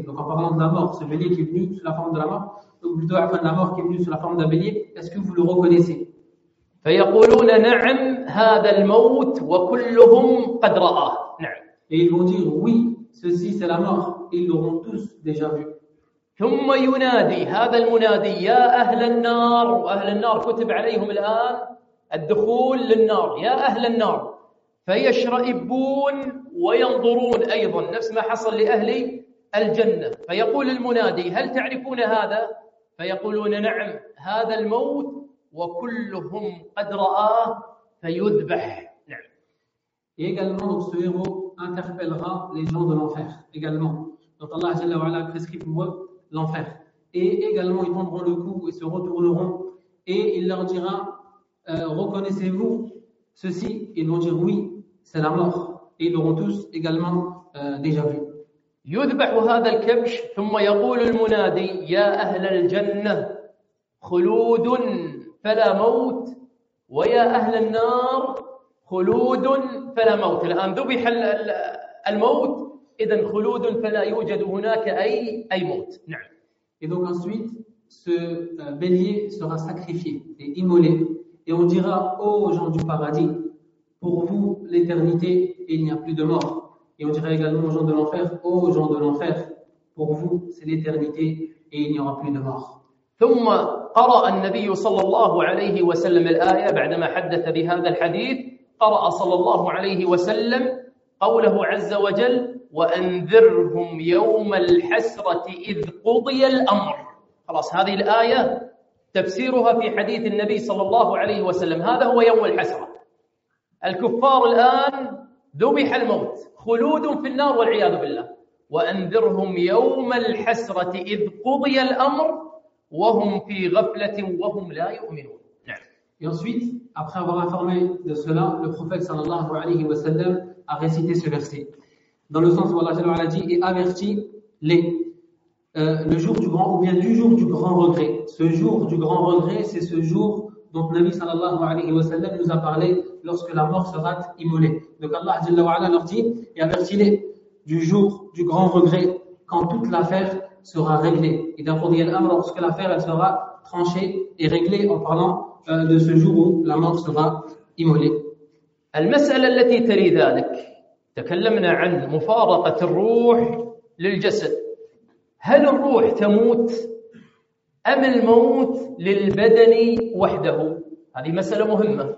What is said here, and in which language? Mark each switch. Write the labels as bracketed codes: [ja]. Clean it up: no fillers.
[fr] Donc en parlant de la mort, ce bélier qui est venu sous la forme de la mort, donc plutôt après la mort qui est venu sous la forme d'un bélier, est-ce que vous le reconnaissez? [ar] فيقولون نعم هذا الموت وكلهم قد رآه. نعم. [fr] Et ils vont dire oui, ceci c'est la mort, ils l'auront tous déjà vu. [ar] ثم ينادي هذا المنادي يا أهل النار، وأهل النار كتب عليهم الآن الدخول للنار، يا أهل النار، فيشرئبون وينظرون أيضا نفس ما حصل لأهل الجنة. فيقول المنادي هل تعرفون هذا؟ فيقولون نعم هذا الموت وكلهم قد رآه فيذبح. نعم. [fr] également donc ce héros interpellera les gens de l'enfer également. Donc Allah [ar] جل وعلا [fr] prescrit pour eux l'enfer. Et également, ils prendront le coup et se retourneront. Et il leur dira, reconnaissez-vous ceci? Ils vont dire, oui, c'est la mort. Et ils l'auront tous également déjà vu. [ar] يُذْبَحُ هَذَا الْكَبْشُ ثُمَّ يَقُولُ الْمُنَادِي يَا أَهْلَ الْجَنَّةِ خُلُودٌ فَلَا مَوْتِ وَيَا أَهْلَ النَّارِ خُلُودٌ فَلَا مَوْتِ. الآن ذبح الموت، إذن خلود فلا يوجد هناك أي موت. نعم. [fr] Et donc ensuite, ce bélier sera sacrifié et immolé, et on dira aux gens du paradis, pour vous l'éternité, il n'y a plus de mort. Et on dira également aux gens de l'enfer, aux gens de l'enfer, pour vous c'est l'éternité et il n'y aura plus de mort. [ar] ثم قرأ النبي صلى الله عليه وسلم الآية بعدما حدث بهذا الحديث. قرأ صلى الله عليه وسلم قوله عز وجل وأنذرهم يوم الحسرة إذ قضي الأمر. خلاص هذه الآية تفسيرها في حديث النبي صلى الله عليه وسلم، هذا هو يوم الحسرة. الكفار الآن ذبح الموت، خلود في النار والعياذ بالله. وأنذرهم يوم الحسرة إذ قضي الأمر وهم في غفلة وهم لا يؤمنون. نعم. [fr] Et ensuite, après avoir informé de cela, le prophète [ar] صلى الله عليه وسلم [fr] a récité ce verset. Dans le sens où Allah a dit et avertit-les le jour du grand ou bien du jour du grand regret. Ce jour du grand regret, c'est ce jour dont le Nabi sallallahu alayhi wa sallam nous a parlé lorsque la mort sera immolée. Donc Allah jalla wa ala leur dit et avertit-les du jour du grand regret quand toute l'affaire sera réglée. Et d'un côté, il y a lorsque l'affaire elle sera tranchée et réglée en parlant de ce jour où la mort sera immolée. [ar] Al-mas'ala allati tali dhalik. تكلمنا عن مفارقة الروح للجسد، هل الروح تموت أم الموت للبدن وحده؟ هذه مسألة مهمة.